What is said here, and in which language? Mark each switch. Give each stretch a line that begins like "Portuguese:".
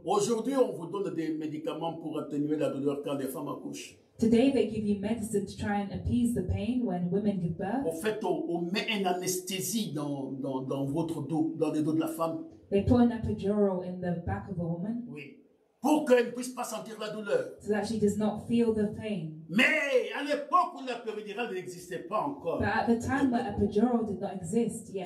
French: Aujourd'hui, on vous donne des médicaments pour atténuer la douleur quand les femmes accouchent.
English: Today they give you medicine to try and appease the pain when women give birth.
French: En fait, on met une anesthésie dans votre dos, dans le dos de la femme.
English: They put an epidural in the back of a woman.
French: Oui. Pour qu'elle ne puisse pas sentir la douleur.
English: So that she does not feel the pain.
French: Mais à l'époque où la péridurale n'existait pas encore.
English: But at the time where epidural did not exist yet.